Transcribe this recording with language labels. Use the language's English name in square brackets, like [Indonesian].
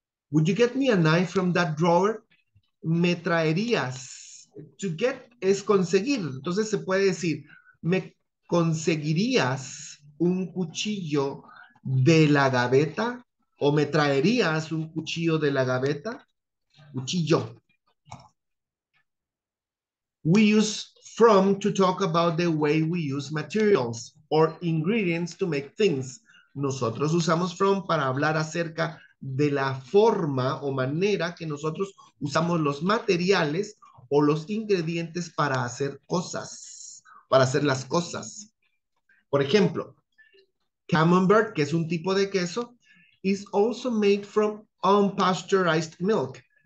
[English] Would you get me a knife from that drawer? [Spanish] ¿Me traerías? To get es conseguir. Entonces se puede decir, ¿me conseguirías un cuchillo de la gaveta o me traerías un cuchillo de la gaveta? Cuchillo. [English] We use from to talk about the way we use materials or ingredients to make things. [Spanish] Nosotros usamos from para hablar acerca de la forma o manera que nosotros usamos los materiales o los ingredientes para hacer cosas. Para hacer las cosas. Por ejemplo, Camembert, que es un tipo de queso, [English] is also made from unpasteurized milk.